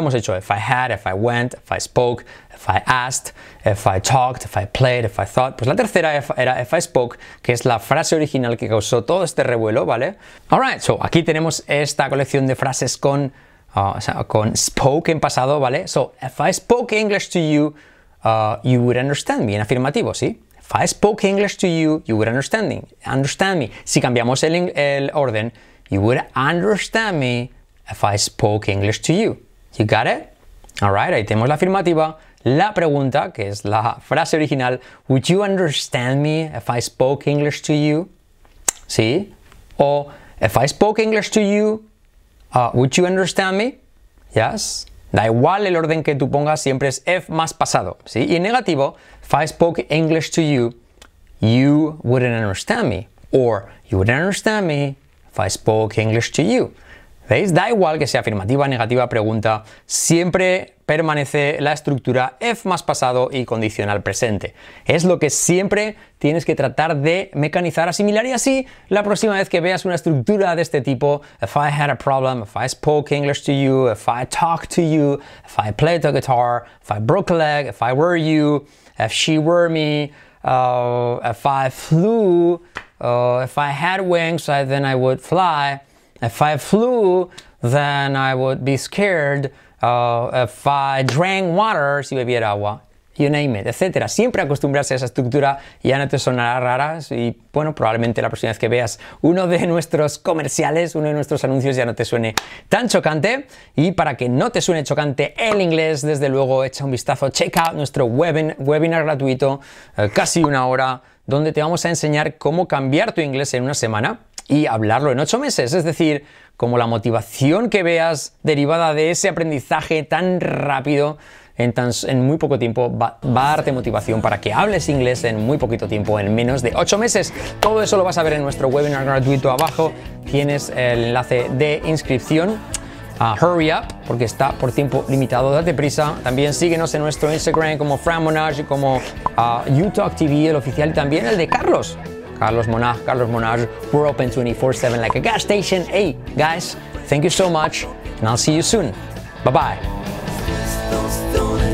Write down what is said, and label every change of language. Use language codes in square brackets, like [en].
[es] Hemos hecho [en] if I had, if I went, if I spoke, if I asked, if I talked, if I played, if I thought. [es] Pues la tercera era [en] if I spoke, [es] que es la frase original que causó todo este revuelo, ¿vale? [en] Alright, so [es] aquí tenemos esta colección de frases con spoke en pasado, ¿vale? [en] So, if I spoke English to you, you would understand me. [es] En afirmativo, ¿sí? [en] If I spoke English to you, you would understand me. [es] Si cambiamos el orden, [en] you would understand me if I spoke English to you. You got it? Alright, [es] ahí tenemos la afirmativa. La pregunta, que es la frase original, [en] would you understand me if I spoke English to you? [es] ¿Sí? [en] O, if I spoke English to you, would you understand me? Yes. [es] Da igual el orden que tú pongas, siempre es if más pasado. ¿Sí? Y en negativo, [en] if I spoke English to you, you wouldn't understand me. Or, you wouldn't understand me if I spoke English to you. [es] ¿Veis? Da igual que sea afirmativa, negativa, pregunta, siempre permanece la estructura if más pasado y condicional presente. Es lo que siempre tienes que tratar de mecanizar, asimilar, y así la próxima vez que veas una estructura de este tipo, [en] if I had a problem, if I spoke English to you, if I talked to you, if I played the guitar, if I broke a leg, if I were you, if she were me, if I flew, if I had wings, then I would fly. If I flew, then I would be scared. If I drank water, [es] si bebiera agua, [en] you name it, etc. [es] Siempre acostumbrarse a esa estructura y ya no te sonará rara. Y bueno, probablemente la próxima vez que veas uno de nuestros comerciales, uno de nuestros anuncios, ya no te suene tan chocante. Y para que no te suene chocante el inglés, desde luego, echa un vistazo, [en] check out [es] nuestro webinar gratuito, casi una hora, donde te vamos a enseñar cómo cambiar tu inglés en una semana y hablarlo en 8 meses. Es decir, como la motivación que veas derivada de ese aprendizaje tan rápido en muy poco tiempo va a darte motivación para que hables inglés en muy poquito tiempo, en menos de 8 meses. Todo eso lo vas a ver en nuestro webinar gratuito. Abajo tienes el enlace de inscripción. [en] Hurry up, [es] porque está por tiempo limitado, date prisa. También síguenos en nuestro Instagram como Fran Monage, como UTalkTV, el oficial, y también el de Carlos. Carlos Monage, [en] we're open 24/7 like a gas station. Hey, guys, thank you so much, and I'll see you soon. Bye-bye.